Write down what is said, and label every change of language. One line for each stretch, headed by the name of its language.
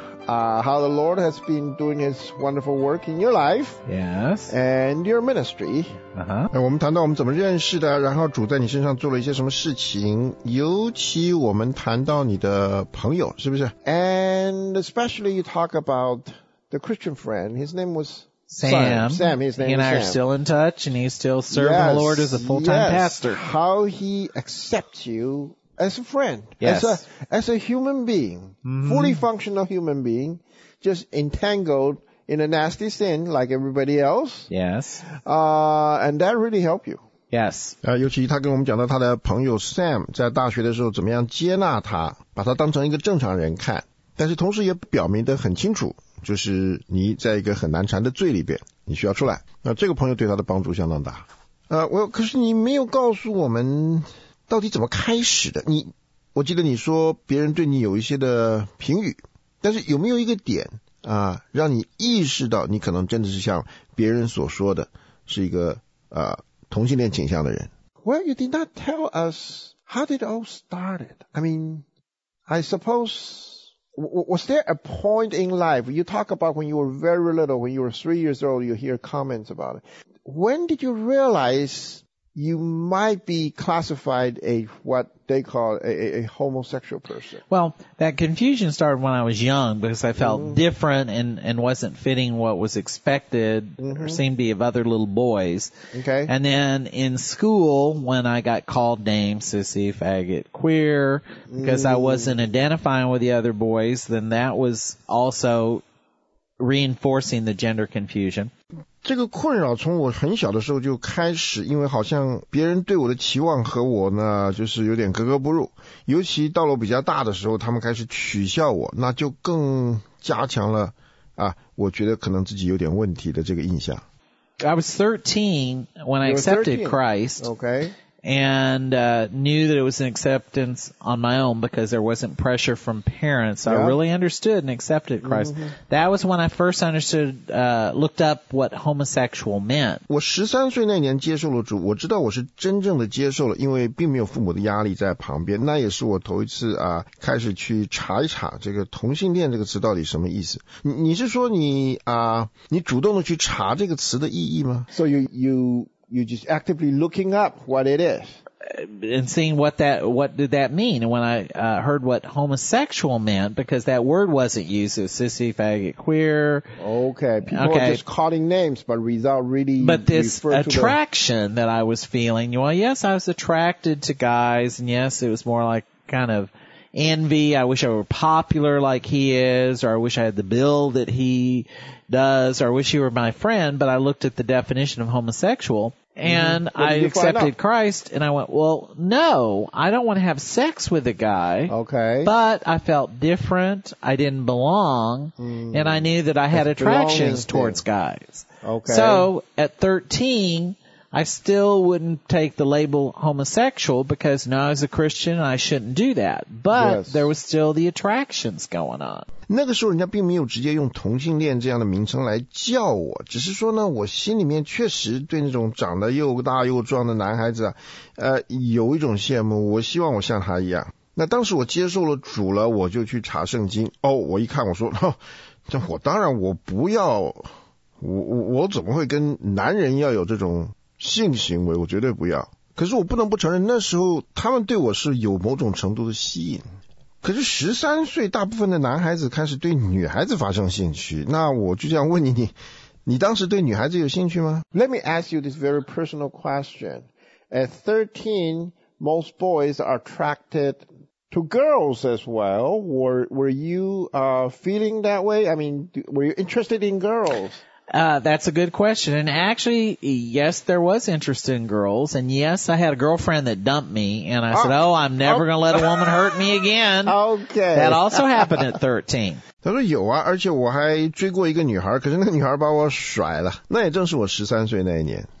English: how the Lord has been doing His wonderful work in your life. Yes. And your ministry. Uh-huh.
Chinese: 我们谈到我们怎么认识的，然后主在你身上做了一些什么事情，尤其我们谈到你的朋友，是不是？
English: And especially you talk about the Christian friend. His name was Sam. Sam, his name is Sam. He and I are still in touch, and he's still serving yes, the Lord as a full-time yes. pastor. How he accepts you. As a friend, yes. as a human being,、mm-hmm. fully functional human being, just entangled in a nasty sin like everybody else. Yes. And that really helped you. Yes.
Chinese: 尤其他跟我们讲到他的朋友 Sam 在大学的时候怎么样接纳他，把他当成一个正常人看，但是同时也表明得很清楚，就是你在一个很难缠的罪里边，你需要出来。那这个朋友对他的帮助相当大。可是你没有告诉我们到底怎么开始的？你，我记得你说别人对你有一些的评语，但是有没有一个点啊，让你意识到你可能真的是像别人所说的，是一个同性恋倾向的人
English: ？Well, you did not tell us how did it all started. I mean, I suppose was there a point in life you talk about when you were very little, when you were 3 years old, you hear comments about it. When did you realize? You might be classified a what they call a homosexual person. Well, that confusion started when I was young because I felt、mm-hmm. different and wasn't fitting what was expected、mm-hmm. or seemed to be of other little boys. Okay. And then in school, when I got called names, sissy, faggot, queer, because、mm-hmm. I wasn't identifying with the other boys, then that was also reinforcing the gender confusion.
Chinese: 这个困扰从我很小的时候就开始，因为好像别人对我的期望和我呢就是有点格格不入，尤其到了比较大的时候他们开始取笑我，那就更加强了啊，我觉得可能自己有点问题的这个印象。
English: I was 13 when I accepted Christ. Okay. And knew that it was an acceptance on my own because there wasn't pressure from parents. So yeah. I really understood and accepted Christ.、Mm-hmm. That was when I first understood, looked up what homosexual meant.
Chinese: 我13岁那年接受了主，我知道我是真正的接受了，因为并没有父母的压力在旁边。那也是我头一次啊，开始去查一查这个同性恋这个词到底什么意思。你是说你啊，你主动的去查这个词的意义吗
English: ？So you're just actively looking up what it is. And seeing what did that mean? And when I, heard what homosexual meant, because that word wasn't used, it was sissy, faggot, queer. Okay, people okay. are just calling names, but without really But this attraction that I was feeling, well, yes, I was attracted to guys, and yes, it was more like kind of envy. I wish I were popular like he is, or I wish I had the build that he... does, or I wish you were my friend, but I looked at the definition of homosexual, and、mm-hmm. I accepted Christ, and I went, well, no, I don't want to have sex with a guy, okay, but I felt different, I didn't belong,、mm-hmm. and I knew that I had、 That's、 attractions towards、 thing. Guys. Okay. So, at 13, I still wouldn't take the label homosexual, because now as a Christian, I shouldn't do that, but、 yes. there was still the attractions going on.
Chinese: 那个时候人家并没有直接用同性恋这样的名称来叫我，只是说呢，我心里面确实对那种长得又大又壮的男孩子啊，有一种羡慕，我希望我像他一样。那当时我接受了主了，我就去查圣经。哦，我一看，我说，这我当然我不要，我怎么会跟男人要有这种性行为？我绝对不要。可是我不能不承认，那时候他们对我是有某种程度的吸引。可是13岁，大部分的男孩子开始对女孩子发生兴趣。那我就这样问你，你当时对女孩子有兴趣吗？
English: Let me ask you this very personal question. At 13, most boys are attracted to girls as well. Were you feeling that way? I mean, were you interested in girls? That's a good question. And actually, yes, there was interest in girls. And yes, I had a girlfriend that dumped me. And I said, oh, I'm never going to let a woman hurt me again. Okay. That also happened at 13.
Chinese: 他说有啊，而且我还追过一个女孩，可是那个女孩把我甩了。那也正是我13岁那一年。